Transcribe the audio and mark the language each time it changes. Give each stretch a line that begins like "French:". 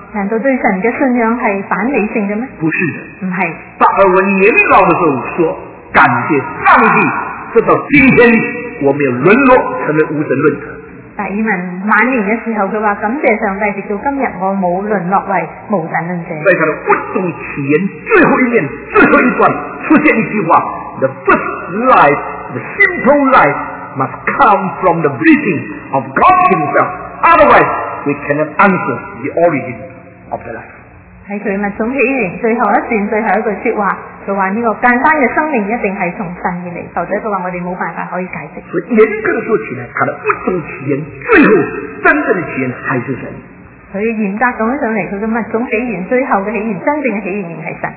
Chinese: 难道对神的信仰是反理性的吗？不是的，不是。达尔文年老的时候说，感谢上帝，直到今天我们要沦落成为无神论者。达尔文晚年的时候他说，感谢上帝，直到今天我没有沦落为无神论者。在他的活动起源最后一面最后一段出现一句话，
English: The first life, the simple life must come from the breathing of God himself, otherwise we cannot answer the origin of the life。
Chinese: 在他的活动起源最后一段最后一句话，他说这个干翻的生命一定是从神而来，否则他说我们没办法可以解释。所以严格的说起来，他的物种起源最后真正的起源还是神。所以严格地上来，他的物种起源最后的起源，真正的起源还是神。